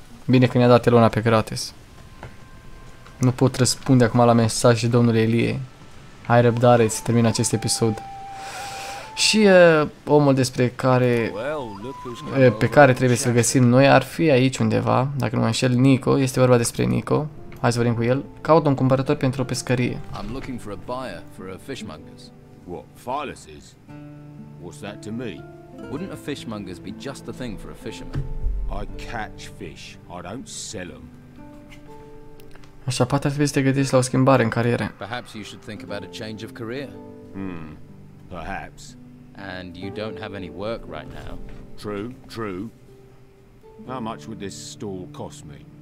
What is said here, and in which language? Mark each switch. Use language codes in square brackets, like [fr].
[ro] Bine că ne-a dat el una pe gratis. Nu pot răspunde acum la mesaj de domnul Elie. Hai răbdare, se termină acest episod. Și omul despre care pe care trebuie să-l găsim noi ar fi aici undeva, dacă nu mă înșel, Nico, este vorba despre Nico. Hai să vorbim cu el. Caut un cumpărător pentru o pescărie. [en] I'm looking for a buyer for a fishmonger's. What? Phyllis's? What's that to me? Wouldn't a fishmonger's be just the thing for a fisherman? I catch fish, I don't sell them. [ro] Așa, poate ar trebui să te gândești la o schimbare în carieră. [en] Perhaps you should think about a change of career. Hmm, perhaps. And you don't have any work right now. True, true. How much would this stall cost me?